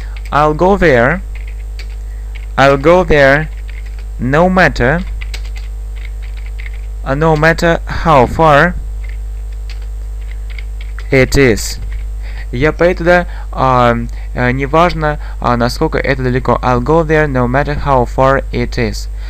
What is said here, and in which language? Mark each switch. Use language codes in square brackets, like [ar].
[en] I'll go there, no matter how far it is. [ru] Я поеду туда, неважно, насколько это далеко. [en] I'll go there no matter how far it is.